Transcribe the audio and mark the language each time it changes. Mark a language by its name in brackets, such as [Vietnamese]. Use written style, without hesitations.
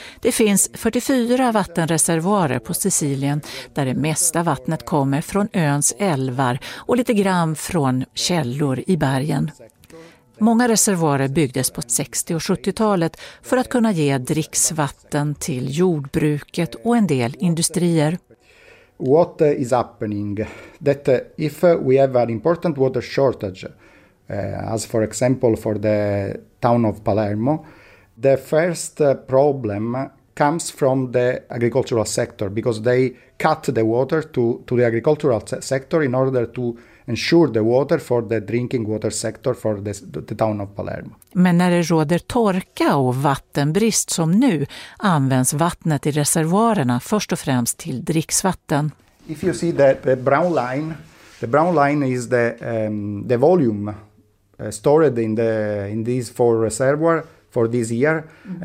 [Swedish] Det finns 44 vattenreservoarer på Sicilien där det mesta vattnet kommer från öns älvar och lite grann från källor i bergen. Många reservoarer byggdes på 60- och 70-talet för att kunna ge dricksvatten till jordbruket och en del industrier. [English] What is happening? That if we have an important water shortage, as for example for the town of Palermo, the first problem comes from the agricultural sector because they cut the water to the agricultural sector in order to ensure the water for the drinking water sector for the town of Palermo. [Swedish] Men när det råder torka och vattenbrist som nu används vattnet i reservoarerna först och främst till dricksvatten. [English] If you see the brown line, is the volume stored in these 4 reservoir for this year. Mm-hmm.